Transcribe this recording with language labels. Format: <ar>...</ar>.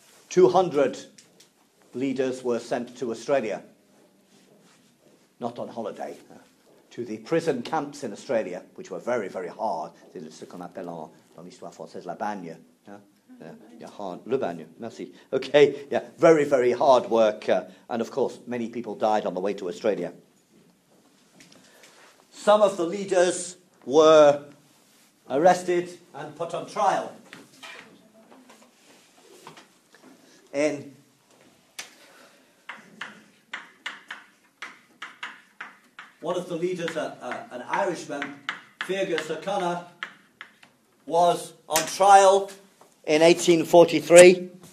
<en>...200 leaders were sent to Australia, not on holiday, to the prison camps in Australia, which were very, very hard.</en> <fr>C'est ce qu'on appelle en l'histoire française la bagne. Le bagne, merci.</fr> <en>Okay, yeah, very, very hard work. And of course, many people died on the way to Australia. Some of the leaders were arrested and put on trial. In one of the leaders, an Irishman, Fergus O'Connor, was on trial in 1843.</en>